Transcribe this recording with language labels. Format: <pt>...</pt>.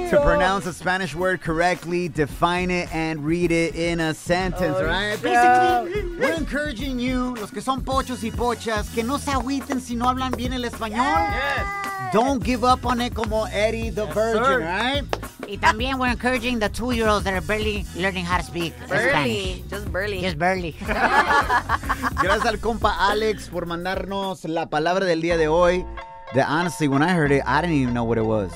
<en>To pronounce a Spanish word correctly, define it, and read it in a sentence, right? Yeah. Basically, we're encouraging you,</en> <es>los que son pochos y pochas, que no se agüiten si no hablan bien el español.</es> <en>Yeah. Yes. Don't give up on it como Eddie the Virgin, right?</en> <es>Y también</es> <en>we're encouraging the two-year-olds that are barely learning how to speak Spanish. Just barely.</en> <es>Gracias al compa Alex por mandarnos la palabra del día de hoy.</es> <en>That honestly, when I heard it, I didn't even know what it was.</en>